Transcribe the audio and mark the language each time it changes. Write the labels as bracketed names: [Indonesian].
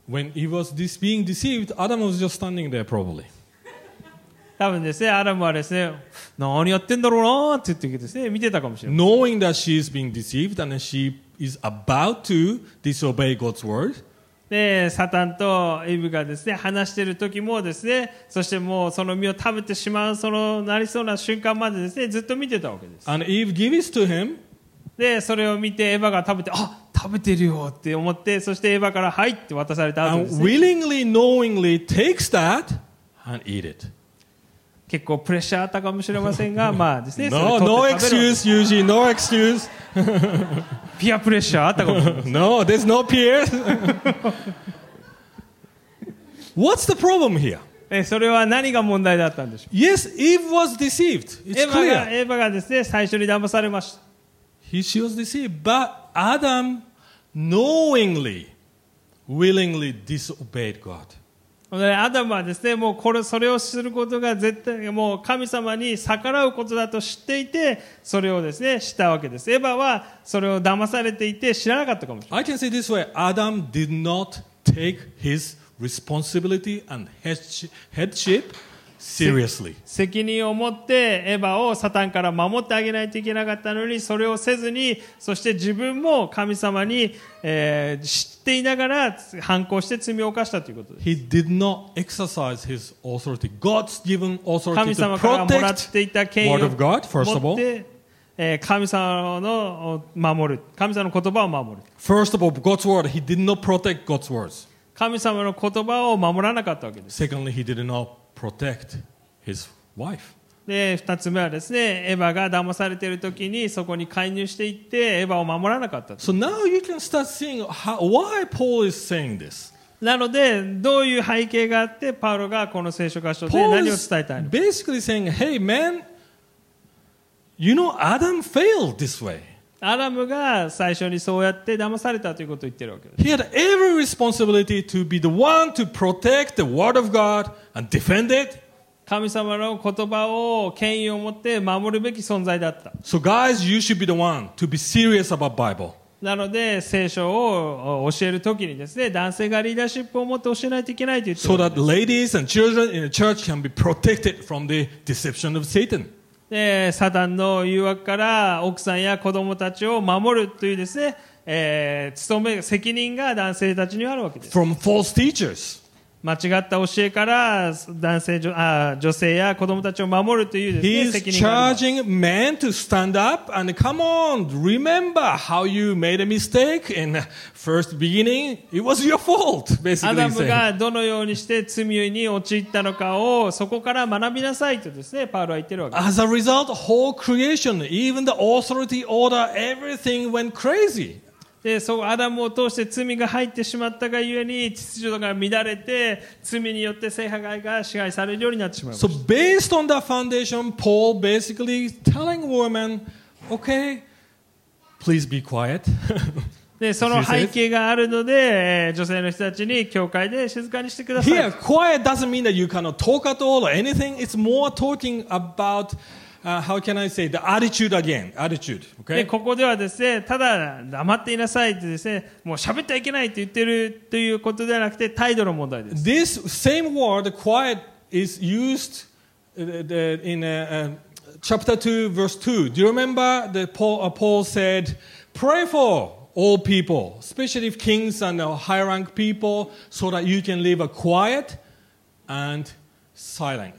[English] When he was being deceived, Adam was just standing there probably. [Japanese] 多分ですね、アダムはですね、何やってんだろうなって言ってですね、見てたかもしれません。 [English] Knowing that she is being deceived and she is about to disobey God's word. [Japanese] で、サタンとイブがですね、話している時もですね、そしてもうその実を食べてしまうそのなりそうな瞬間までですね、ずっと見てたわけです。 [English] And Eve gives to him. [Japanese] で、それを見てエヴァが食べて、あ、食べてるよって思って、そしてエヴァからはいって渡されたわけですね。 [English] And willingly, knowingly takes that and eat it. [Japanese] 結構プレッシャーあったかもしれませんが、まあですね。 [English] No, no excuse, Eugene, no excuse. [Japanese] ピアプレッシャーあったかもしれません。 [English] No, there's no peer. What's the problem here? [Japanese] それは何が問題だったんでしょう? [English] Yes, Eve was deceived. It's clear. [Japanese] エヴァがですね、最初に騙されました。 [English] She was deceived, but Adam knowingly, willingly disobeyed God. [Japanese] アダムはですね、もうこれそれをすることが絶対もう神様に逆らうことだと知っていてそれをですね知ったわけです。エヴァはそれを騙されていて知らなかったかもしれない。 [English] I can say this way: Adam did not take his responsibility and headship seriously. [Japanese] 責任を持ってエヴァをサタンから守ってあげないといけなかったのにそれをせずにそして自分も神様に、知っていながら反抗して罪を犯したということです。 [English] He did not exercise his authority. God's given authority. [Japanese] 神様からもらっていた権威を持って [English] God, first of all. [Japanese] 神様の守る神様の言葉を守る。 [English] First of all, God's word. He did not protect God's words. [Japanese] 神様の言葉を守らなかったわけです。 [English] Secondly, he did not protect his wife. [Japanese] で、二つ目はですね、エヴァが騙されているときにそこに介入していってエヴァを守らなかった。 [English] So now you can start seeing why Paul is saying this. [Japanese] なので、どういう背景があってパウロがこの聖書箇所で何を伝えたいの? [English] Paul is basically saying, hey man, you know Adam failed this way. [Japanese] アダムが最初にそうやって騙されたということを言ってるわけです。 [English] He had every responsibility to be the one to protect the word of God and defend it. [Japanese] 神様の言葉を権威を持って守るべき存在だった。 [English] So guys, you should be the one to be serious about Bible. [Japanese] なので、聖書を教えるときにですね、男性がリーダーシップを持って教えないといけないと言ってる。 [English] So that ladies and children in the church can be protected from the deception of Satan. [Japanese] で、サタンの誘惑から奥さんや子供たちを守るというですね、務め責任が男性たちにあるわけです。 [English] From false teachers. [Japanese] 間違った教えから男性女性や子供たちを守るというですね、責任がある。 [English] He's charging men to stand up and come on, remember how you made a mistake in the first beginning. It was your fault, basically. [Japanese] アダムがどのようにして罪に陥ったのかをそこから学びなさいとですね、パウロは言ってるわけです。 [English] As a result, whole creation, even the authority order, everything went crazy. [Japanese] でそうアダムを通して罪が入ってしまったがゆえに秩序が乱れて罪によって聖破壊が支配されるようになってしまいました [English] 。 So based on that foundation, Paul basically telling women, okay, please be quiet. [Japanese] でその背景があるので女性の人たちに教会で静かにしてください。 [English] Here, quiet doesn't mean that you cannot talk at all or anything. It's more talking aboutHow can I say the attitude again? Attitude, okay? [Japanese] でここではですね、ただ黙っていなさいってですね、もう喋ってはいけないって言ってるということではなくて態度の問題です。 [English] This same word, quiet, is used in chapter 2, verse 2. Do you remember that Paul said, pray for all people, especially if kings and high rank people, so that you can live a quiet and silent.